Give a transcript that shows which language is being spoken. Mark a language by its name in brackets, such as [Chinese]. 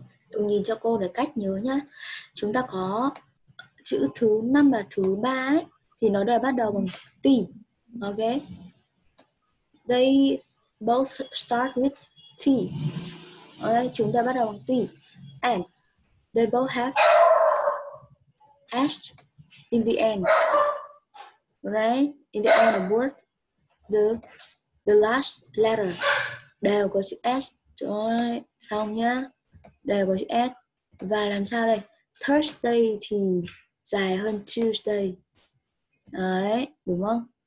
[Vietnamese] Tùng nhìn cho cô để cách nhớ nhá. Chúng ta có chữ thứ năm và thứ ba ấy, thì nó đều bắt đầu bằng T. Ok. [English] They both start with T. Ok, [Vietnamese] chúng ta bắt đầu bằng T. [English] And they both have S in the end. Right? In the end of word, the last letter [Vietnamese] đều có chữ S. Trời ơi, xong nhá. Đều có chữ S. Và làm sao đây? Thursday thì dài hơn Tuesday. Đấy, đúng không?